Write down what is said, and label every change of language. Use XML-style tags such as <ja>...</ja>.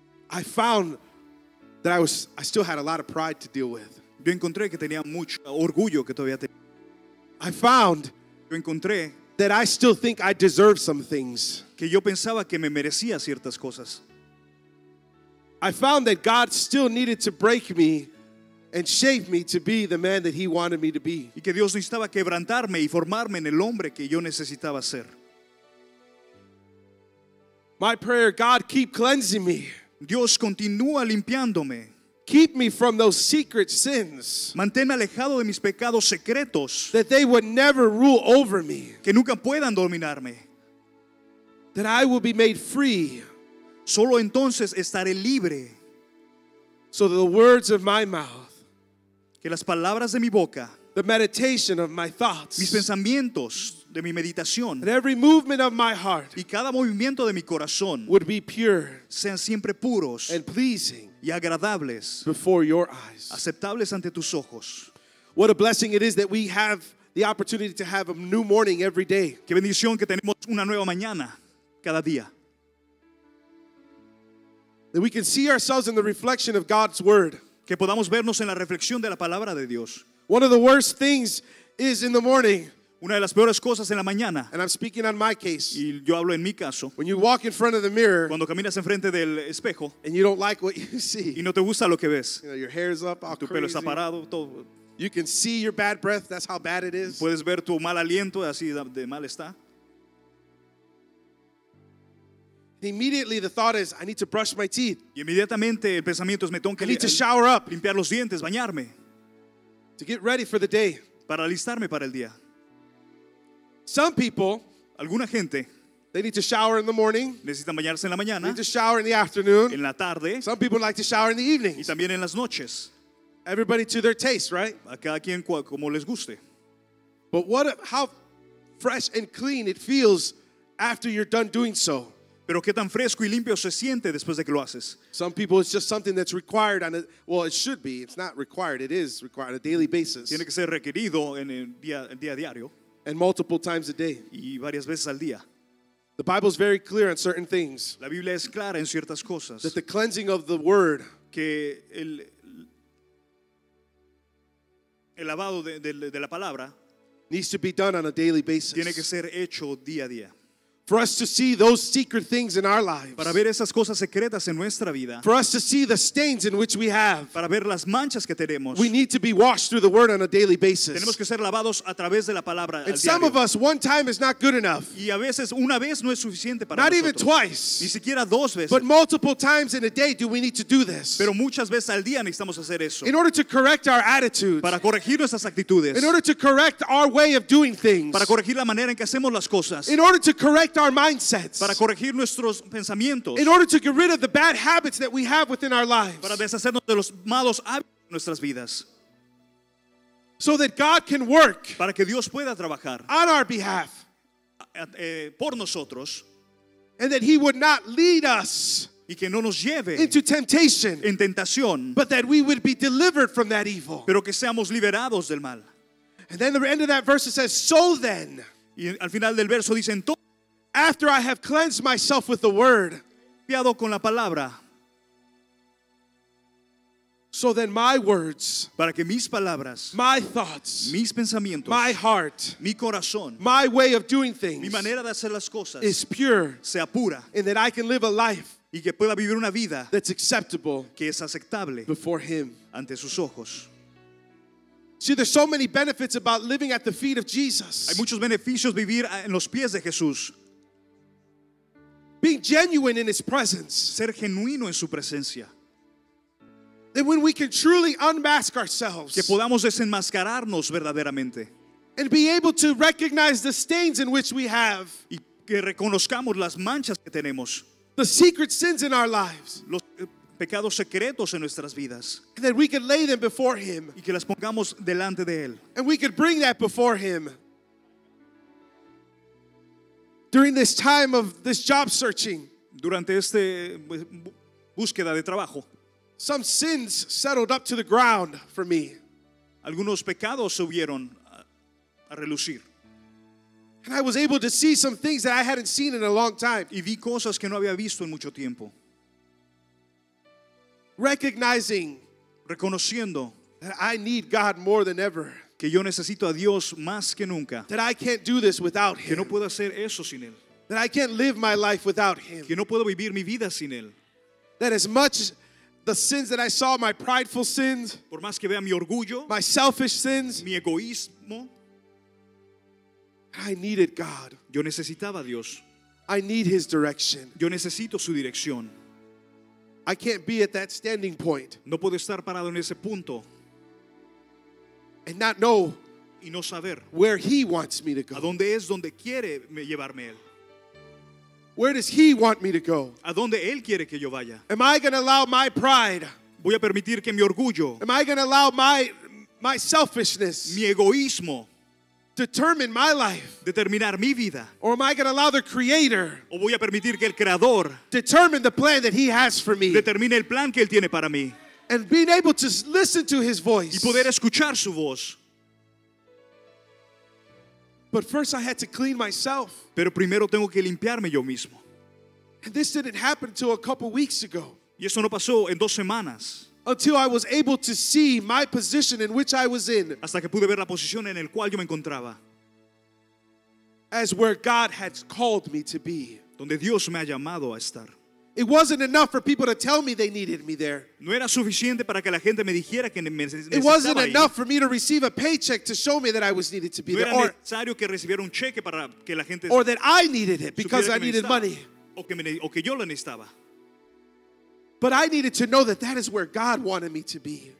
<en>I found that I still had a lot of pride to deal with.</en> <es>Yo encontré que tenía mucho orgullo que todavía tenía.</es> <en>I found.</en> <es>Yo encontré.</es> <en>That I still think I deserve some things.</en> <es>Que yo pensaba que me merecía ciertas cosas.</es> <en>I found that God still needed to break me and shape me to be the man that he wanted me to be.</en> <es>Y que Dios necesitaba quebrantarme y formarme en el hombre que yo necesitaba ser.</es> <en>My prayer, God, keep cleansing me.</en> <es>Dios continúa limpiándome.</es> <en>keep me from those secret sins.</en> <es>Manténme alejado de mis pecados secretos.</es> <en>That they would never rule over me.</en> <es>Que nunca puedan dominarme.</es> <en>That I will be made free.</en> <es>Solo entonces estaré libre.</es> <en>So the words of my mouth,</en> <es>que las palabras de mi boca,</es> <en>the meditation of my thoughts,</en> <es>mis pensamientos de mi meditación,</es> <en>and every movement of my heart,</en> <es>y cada movimiento de mi corazón,</es> <en>would be pure,</en> <es>sean siempre puros,</es> <en>and pleasing,</en> <es>y agradables,</es> <en>before your eyes,</en> <es>aceptables ante tus ojos.</es> <en>What a blessing it is that we have the opportunity to have a new morning every day.</en> <es>Qué bendición que tenemos una nueva mañana cada día.</es> <en>That we can see ourselves in the reflection of God's word.</en> <es>Que podamos vernos en la reflexión de la palabra de Dios.</es> <en>One of the worst things is in the morning.</en> <es>Una de las peores cosas en la mañana.</es> <en>And I'm speaking on my case.</en> <es>Y yo hablo en mi caso.</es> <en>When you walk in front of the mirror.</en> <es>Cuando caminas enfrente del espejo.</es> <en>And you don't like what you see.</en> <es>Y no te gusta lo que ves.</es> <en>You know, your hair is up, all</en> <es>tu pelo está parado, todo.</es> <en>You can see your bad breath. That's how bad it is.</en> <es>Puedes ver tu mal aliento, así de mal está.</es> <en>Immediately the thought is, I need to brush my teeth.</en> <es>Y inmediatamente el pensamiento es, me tengo que</es> <en>need to shower up,</en> <es>limpiar los dientes, bañarme.</es> <en>To get ready for the day.</en> <es>Para alistarme para el día.</es> <en>Some people,</en> <es>alguna gente,</es> <en>they need to shower in the morning.</en> <es>Necesitan bañarse en la mañana.</es> <en>They need to shower in the afternoon.</en> <es>En la tarde.</es> <en>Some people like to shower in the evening.</en> <es>Y también en las noches.</es> <en>Everybody to their taste, right?</en> <es>A cada quien como les guste.</es> <en>But what if, how fresh and clean it feels after you're done doing so.</en> <es>Pero qué tan fresco y limpio se siente después de que lo haces.</es> <en>Some people it's just something that's required on a, well, it should be. It's not required. It is required on a daily basis.</en> <es>Tiene que ser requerido en el día, diario.</es> <en>And multiple times a day.</en> <es>Y varias veces al día.</es> <en>The Bible is very clear on certain things.</en> <es>La Biblia es clara en ciertas cosas.</es> <en>That the cleansing of the word.</en> <es>Que el lavado de la palabra.</es> <en>Needs to be done on a daily basis.</en> <es>Tiene que ser hecho día a día.</es> <en>For us to see those secret things in our lives.</en> <es>Para ver esas cosas secretas en nuestra vida.</es> <en>For us to see the stains in which we have.</en> <es>Para ver las manchas que tenemos.</es> <en>We need to be washed through the word on a daily basis.</en> <es>Tenemos que ser lavados a través de la palabra al diario.</es> <en>And some of us, one time is not good enough.</en> <es>Y a veces una vez no es suficiente para nosotros.</es> <en>Not even twice.</en> <es>Ni siquiera dos veces.</es> <en>But multiple times in a day do we need to do this.</en> <es>Pero muchas veces al día necesitamos hacer eso.</es> <en>In order to correct our attitudes.</en> <es>Para corregir nuestras actitudes.</es> <en>In order to correct our way of doing things.</en> <es>Para corregir la manera en que hacemos las cosas.</es> <en>In order to correct our mindsets.</en> <es>Para corregir nuestros pensamientos.</es> <en>In order to get rid of the bad habits that we have within our lives.</en> <es>Para deshacernos de los malos hábitos de nuestras vidas.</es> <en>So that God can work.</en> <es>Para que Dios pueda trabajar.</es> <en>On our behalf.</en> <es>Por nosotros.</es> <en>And that He would not lead us.</en> <es>Y que no nos lleve.</es> <en>Into temptation.</en> <es>En tentación.</es> <en>But that we would be delivered from that evil.</en> <es>Pero que seamos liberados del mal.</es> <en>And then the end of that verse says, so then.</en> <es>Y al final del verso dice, entonces.</es> <en>After I have cleansed myself with the word,</en> <es>limpiado con la palabra,</es> <en>so then my words,</en> <es>para que mis palabras,</es> <en>my thoughts,</en> <es>mis pensamientos,</es> <en>my heart,</en> <es>mi corazón,</es> <en>my way of doing things,</en> <es>mi manera de hacer las cosas,</es> <en>is pure,</en> <es>sea pura,</es> <en>and that I can live a life,</en> <es>y que pueda vivir una vida,</es> <en>that's acceptable,</en> <es>que es aceptable,</es> <en>before Him,</en> <es>ante sus ojos.</es> <en>See, there's so many benefits about living at the feet of Jesus.</en> <es>Hay muchos beneficios vivir en los pies de Jesús.</es> <en>Being genuine in His presence.</en> <es>Ser genuino en su presencia.</es> <en>That when we can truly unmask ourselves.</en> <es>Que podamos desenmascararnos verdaderamente.</es> <en>And be able to recognize the stains in which we have.</en> <es>Y que reconozcamos las manchas que tenemos.</es> <en>The secret sins in our lives.</en> <es>Los pecados secretos en nuestras vidas.</es> <en>That we can lay them before Him.</en> <es>Y que las pongamos delante de Él.</es> <en>And we can bring that before Him. During this time of this job searching,</en> <es>durante este búsqueda de trabajo,</es> <en>some sins settled up to the ground for me.</en> <es>Algunos pecados subieron a relucir.</es> <en>And I was able to see some things that I hadn't seen in a long time.</en> <es>Y vi cosas que no había visto en mucho tiempo.</es> <en>Recognizing,</en> <es>reconociendo,</es> <en>that I need God more than ever.</en> <es>Que yo necesito a Dios más que nunca.</es> <en>That I can't do this without Him.</en> <es>Que no puedo hacer eso sin Él.</es> <en>That I can't live my life without Him.</en> <es>Que no puedo vivir mi vida sin Él.</es> <en>That as much as the sins that I saw, my prideful sins,</en> <es>por más que vea mi orgullo,</es> <en>my selfish sins,</en> <es>mi egoísmo,</es> <en>I needed God.</en> <es>Yo necesitaba a Dios.</es> <en>I need His direction.</en> <es>Yo necesito su dirección.</es> <en>I can't be at that standing point.</en> <es>No puedo estar parado en ese punto.</es> <en>And not know</en> <es>y no saber</es> <en>where he wants me to go.</en> <es>A dónde es donde quiere llevarme él.</es> <en>Where does he want me to go?</en> <es>A dónde él quiere que yo vaya.</es> <en>Am I going to allow my pride?</en> <es>Voy a permitir que mi orgullo.</es> <en>Am I going to allow my selfishness?</en> <es>Mi egoísmo.</es> <en>Determine my life.</en> <es>Determinar mi vida.</es> <en>Or am I going to allow the Creator?</en> <es>O voy a permitir que el Creador.</es> <en>Determine the plan that He has for me.</en> <es>Determine el plan que él tiene para mí.</es> <en>And being able to listen to His voice.</en> <es>Y poder escuchar su voz.</es> <en>But first, I had to clean myself.</en> <es>Pero primero tengo que limpiarme yo mismo.</es> <en>And this didn't happen until a couple weeks ago.</en> <es>Y eso no pasó en dos semanas.</es> <en>Until I was able to see my position in which I was in.</en> <es>Hasta que pude ver la posición en el cual yo me encontraba.</es> <en>As where God had called me to be.</en> <es>Donde Dios me ha llamado a estar.</es> <en>It wasn't enough for people to tell me they needed me there.</en> <es>No era suficiente para que la gente me dijera que me necesitaba ahí.</es> <en>It wasn't enough for me to receive a paycheck to show me that I was needed to be there.</en> <es>No era necesario que recibiera un cheque para que la gente.</es> <en>Or that I needed it because I needed money.</en> <es>O que yo lo necesitaba.</es> <en>But I needed to know that that is where God wanted me to be.</en>